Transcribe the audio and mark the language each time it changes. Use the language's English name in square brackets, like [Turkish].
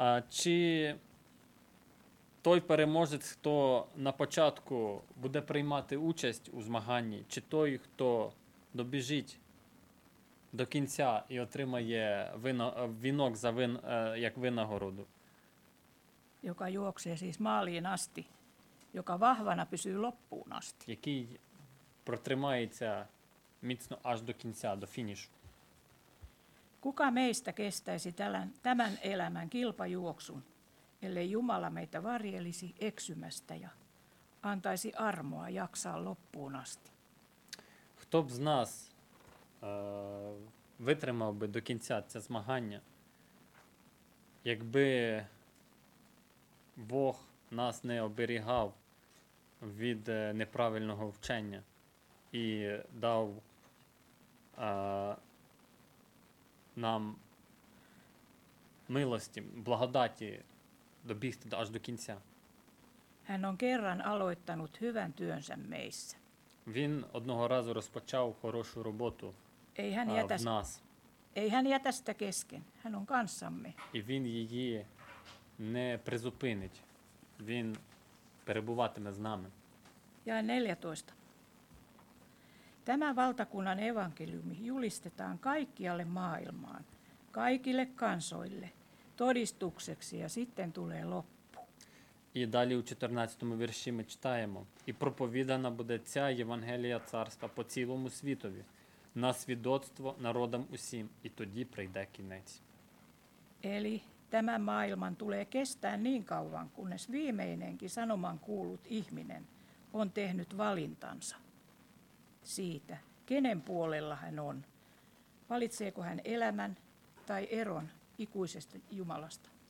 [Ukrainian] Чи той переможець, хто на початку буде приймати участь у змаганні, чи той, хто добіжить до кінця і отримає вінок за як винагороду? Яка [Finnish] juokse siis maaliin asti, joka vahvana pysyy loppuun asti. [Ukrainian] Який протримається міцно аж до кінця, до фінішу. [Finnish] Kuka meistä kestäisi tämän elämän kilpajuoksun, ellei Jumala meitä varjelisi eksymästä ja antaisi armoa jaksaa loppuun asti? [Ukrainian] Хто б з нас витримав би до кінця це змагання, якби Бог нас не оберігав від неправильного вчення і дав нам милості, благодаті добігти аж до кінця? Він [Finnish] on kerran aloittanut hyvän työnsä meissä. [Ukrainian] Він одного разу розпочав хорошу роботу в нас. [Finnish] Ei hän jätä sitä kesken. Hän on kanssamme. [Ukrainian] І він її не призупинить. Він перебуватиме з нами. [Finnish] Ja 14. Tämä valtakunnan evankeliumi julistetaan kaikkialle maailmaan, kaikille kansoille, todistukseksi ja sitten tulee loppu. [Ukrainian] І далі у 14-му вірші ми читаємо. І проповідана буде ця Євангелія Царства по цілому світові, на свідоцтво народам усім, і тоді прийде кінець. [Finnish] Eli tämän maailman tulee kestää niin kauan, kunnes viimeinenkin sanoman kuullut ihminen on tehnyt valintansa siitä, kenen puolella hän on. Valitseeko hän elämän tai eron ikuisesta Jumalasta?